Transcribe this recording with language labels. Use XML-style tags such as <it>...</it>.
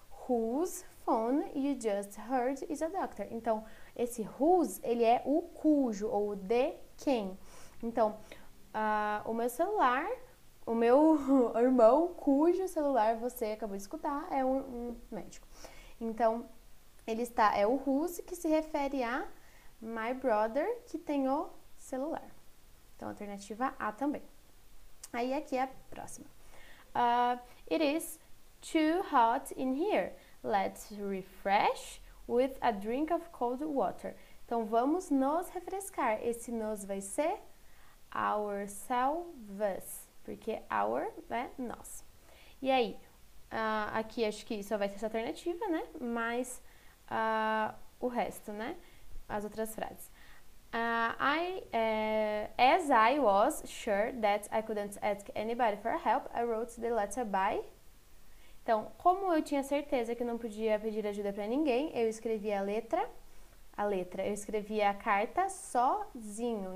<en>Whose phone you just heard is a doctor.</en> <pt>Então, esse whose, ele é o cujo ou de quem. Então, o meu celular, o meu irmão, cujo celular você acabou de escutar, é um médico. Então, ele está, é o whose que se refere a my brother que tem o celular. Então, alternativa A também. Aí, aqui é a próxima.</pt> <en>It is too hot in here. Let's refresh with a drink of cold water.</en> <pt>Então vamos nos refrescar. Esse nos vai ser ourselves, porque our é nós. E aí, aqui acho que só vai ser essa alternativa, né? Mas o resto, né? As outras frases.</pt> <en>As I was sure that I couldn't ask anybody for help, I wrote the letter by.</en> <pt>Então, como eu tinha certeza que não podia pedir ajuda para ninguém, eu escrevi eu escrevi a carta sozinho.</pt>